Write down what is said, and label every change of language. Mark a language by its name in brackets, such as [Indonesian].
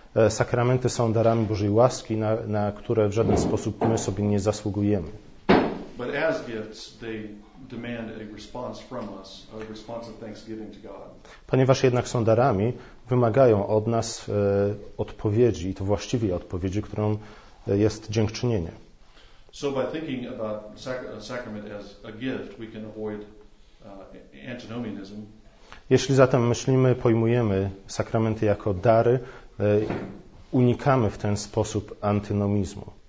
[Polish] Sakramenty są darami Bożej łaski, na które w żaden sposób my sobie nie zasługujemy. [English] But as gifts, they demand a response from us, a response of thanksgiving to God. [Polish] Ponieważ jednak są darami, wymagają od nas odpowiedzi, i to właściwej odpowiedzi, którą jest dziękczynienie. [English] So by thinking about sacrament as a gift, we can avoid antinomianism. [Polish] Jeśli zatem myślimy, pojmujemy sakramenty jako dary, unikamy w ten sposób antynomizmu.